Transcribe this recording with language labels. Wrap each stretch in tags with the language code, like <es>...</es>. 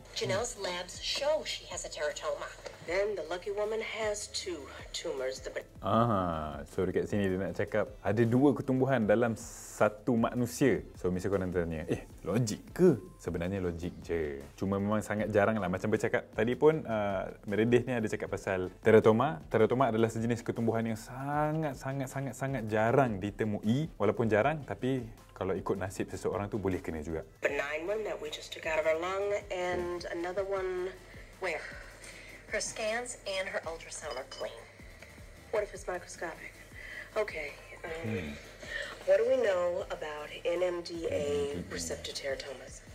<en>Janelle's labs show she has a teratoma. Then the lucky woman has two tumors.</en> <ms>Ah, so dekat sini dia nak cakap ada dua ketumbuhan dalam satu manusia. So, misalnya korang tanya, Logik ke? Sebenarnya logik je. Cuma memang sangat jarang lah. Macam bercakap tadi pun, Meredith ni ada cakap pasal teratoma. Teratoma adalah sejenis ketumbuhan yang sangat jarang ditemui. Walaupun jarang, tapi kalau ikut nasib seseorang tu boleh kena juga.</ms> <en>Benign one that we just took out of our lung and another one where? Her scans and her ultrasound are clean. What if it's microscopic? Okay. What do we know about NMDA receptor teratomas?</en>